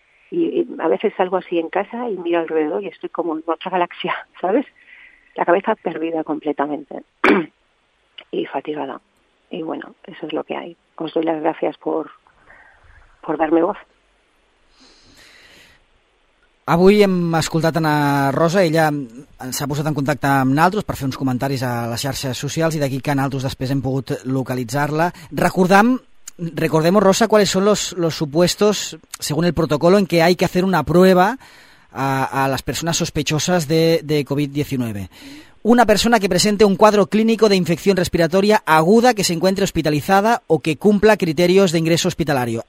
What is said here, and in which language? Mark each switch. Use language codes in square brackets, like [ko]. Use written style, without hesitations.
[es] Y a veces salgo así en casa y miro alrededor y estoy como en otra galaxia, ¿sabes? La cabeza perdida completamente y fatigada. Y bueno, eso es lo que hay. Os doy las gracias por darme voz. [ca] Avui hem escoltat Anna Rosa, ella s'ha posat en contacte amb naltros per fer uns comentaris a les xarxes socials i d'aquí que naltros després hem pogut localitzar-la. [es] Recordemos, Rosa, cuáles son los supuestos, según el protocolo, en que hay que hacer una prueba a las personas sospechosas de COVID-19. Una persona que presente un cuadro clínico de infección respiratoria aguda que se encuentre hospitalizada o que cumpla criterios de ingreso hospitalario.